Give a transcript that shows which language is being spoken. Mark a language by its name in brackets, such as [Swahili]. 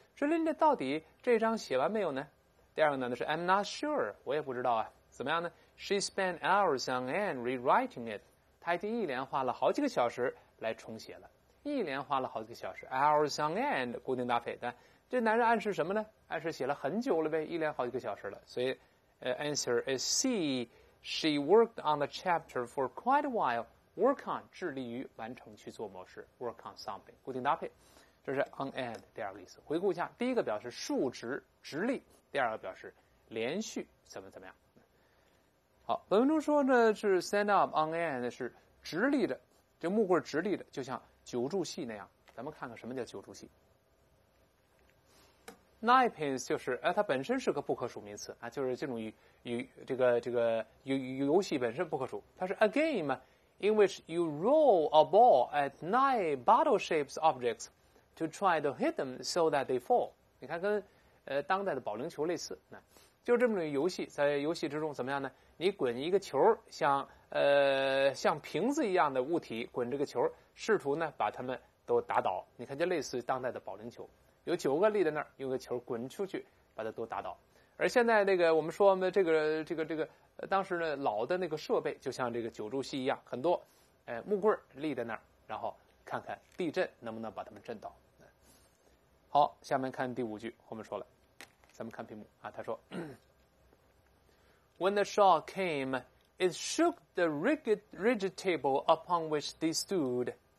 [Chinese] 说 Linda 到底这章写完没有呢？第二个男的是 [English] I'm not sure， [Chinese] 我也不知道啊。怎么样呢 [English] ？She spent hours on end rewriting it. [Chinese] 她已经一连花了好几个小时来重写了，一连花了好几个小时 ， [English] hours on end [Chinese] 固定搭配的。这男人暗示什么呢？暗示写了很久了呗，一连好几个小时了。所以 [English] ，answer is C. She worked on the chapter for quite a while. [Chinese] Work on 致力于完成去做某事 ，work on something 固定搭配，这是 on end 第二个意思。回顾一下，第一个表示竖直直立，第二个表示连续怎么怎么样。好，本文中说呢是 stand up on end 是直立的，这木棍直立的，就像九柱戏那样。咱们看看什么叫九柱戏。 Nine pins 就是，它本身是个不可数名词啊，就是这种这个游戏本身不可数。它是 [English] a game in which you roll a ball at nine bottle-shaped objects to try to hit them so that they fall。 [Chinese] 你看跟当代的保龄球类似，那就这么一种游戏，在游戏之中怎么样呢？你滚一个球，像瓶子一样的物体滚这个球，试图呢把它们都打倒。你看，就类似于当代的保龄球，有九个立在那儿，用个球滚出去把它都打倒。而现在那个我们说我们这个当时呢老的那个设备，就像这个九柱戏一样，很多木棍立在那儿，然后看看地震能不能把它们震倒。好，下面看第五句，后面说了，咱们看屏幕啊，他说。 [English] When the shock came, it shook the rigid table upon which they stood.